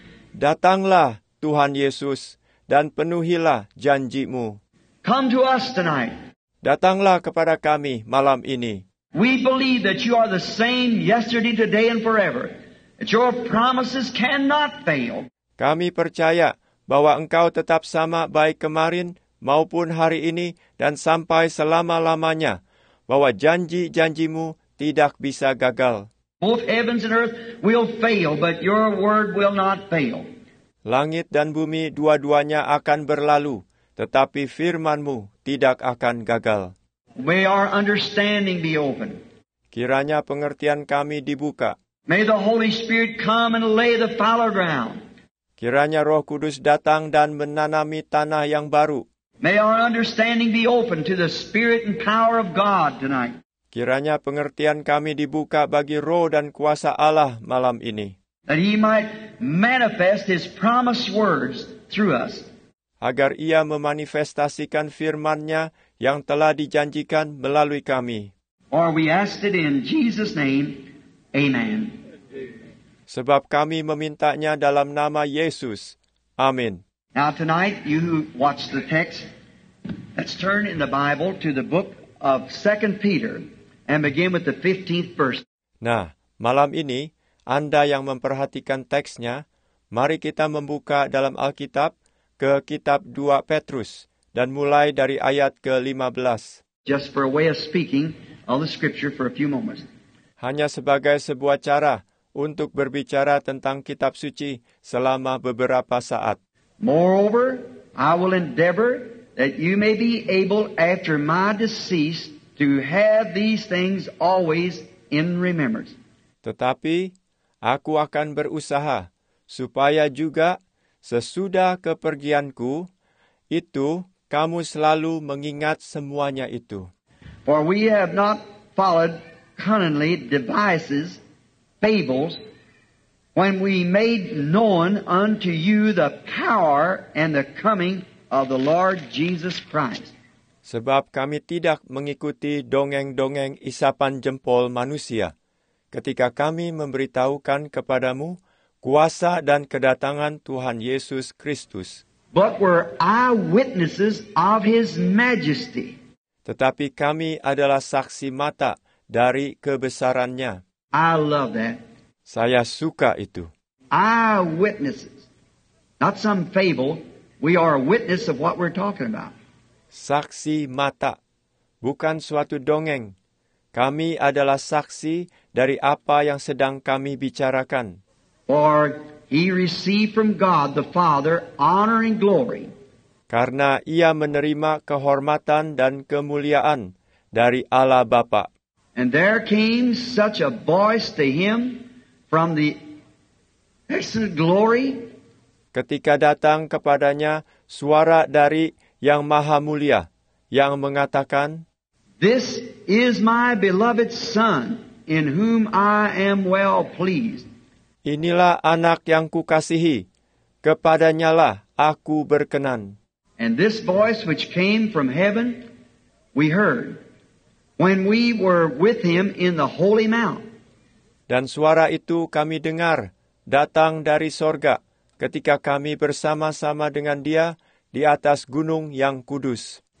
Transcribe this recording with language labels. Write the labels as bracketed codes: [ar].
[id] Datanglah Tuhan Yesus dan penuhilah janji-Mu. [en] Come to us tonight. [id] Datanglah kepada kami malam ini. [en] We believe that you are the same yesterday, today, and forever. That your promises cannot fail. [id] Kami percaya bahwa engkau tetap sama baik kemarin maupun hari ini dan sampai selama-lamanya, bahwa janji-janjimu tidak bisa gagal. [en] Both heavens and earth will fail, but your word will not fail. [id] Langit dan bumi dua-duanya akan berlalu, tetapi firman-Mu tidak akan gagal. [en] May our understanding be open. [id] Kiranya pengertian kami dibuka. [en] May the Holy Spirit come and lay the fallow ground. [id] Kiranya Roh Kudus datang dan menanami tanah yang baru. [en] May our understanding be open to the Spirit and power of God tonight. [id] Kiranya pengertian kami dibuka bagi Roh dan kuasa Allah malam ini. [en] That He might manifest His promised words through us. [id] Agar Ia memanifestasikan firman-Nya yang telah dijanjikan melalui kami. [en] Or we ask it in Jesus' name. Amen. [id] Sebab kami memintanya dalam nama Yesus. Amin. [en] Now tonight, you who watch the text, let's turn in the Bible to the book of 2 Peter and begin with the 15th verse. [id] Nah, malam ini, Anda yang memperhatikan teksnya, mari kita membuka dalam Alkitab ke kitab 2 Petrus dan mulai dari ayat ke-15. [en] Just for a way of speaking of the scripture for a few moments. [id] Hanya sebagai sebuah cara untuk berbicara tentang kitab suci selama beberapa saat. [en] Moreover, I will endeavor that you may be able after my decease to have these things always in remembrance. [id] Tetapi aku akan berusaha supaya juga sesudah kepergianku itu kamu selalu mengingat semuanya itu. [en] For we have not followed cunningly devices, fables, when we made known unto you the power and the coming of the Lord Jesus Christ. [id] Sebab kami tidak mengikuti dongeng-dongeng isapan jempol manusia ketika kami memberitahukan kepadamu kuasa dan kedatangan Tuhan Yesus Kristus. [en] But were eyewitnesses of His majesty. [id] Tetapi kami adalah saksi mata dari kebesaran-Nya. [en] I love that. [id] Saya suka itu. [en] Eyewitnesses. Not some fable. We are a witness of what we're talking about. [id] Saksi mata. Bukan suatu dongeng. Kami adalah saksi dari apa yang sedang kami bicarakan. [en] For He received from God the Father honor and glory. [id] Karena Ia menerima kehormatan dan kemuliaan dari Allah Bapa. [en] And there came such a voice to Him from the excellent glory. [id] Ketika datang kepadanya suara dari Yang Maha Mulia yang mengatakan, [en] This is my beloved Son in whom I am well pleased. [id] Inilah anak yang kukasihi, kepadanyalah aku berkenan. [en] And this voice which came from heaven, we heard when we were with Him in the Holy Mount. [id] Dan suara itu kami dengar datang dari sorga ketika kami bersama-sama dengan Dia di atas gunung yang kudus.